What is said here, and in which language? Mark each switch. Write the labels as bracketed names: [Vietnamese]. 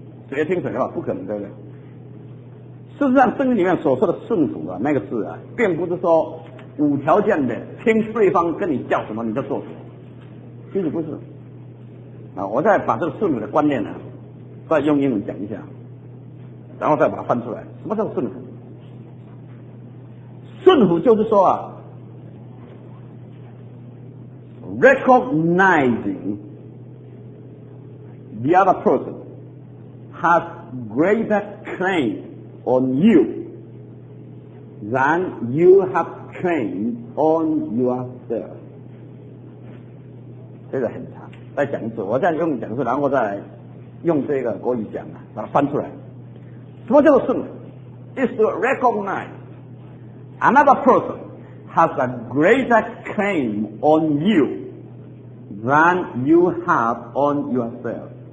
[Chinese] 谁听谁的话？不可能，对不对？事实上圣经里面所说的顺服啊，那个字啊，并不是说无条件的听对方跟你叫什么你就做什么，其实不是啊。我再把这个顺服的观念呢、啊，再用英文讲一下，然后再把它翻出来。什么叫顺服？顺服就是说啊， [English] recognizing the other person has greater claim on you than you have claim on yourself。 [Chinese] 这个很长，再讲一次，我再用讲一次，然后再用这个国语讲，把它翻出来。什么叫做顺服？ [English] is to recognize another person has a greater claim on youthan you have on yourself。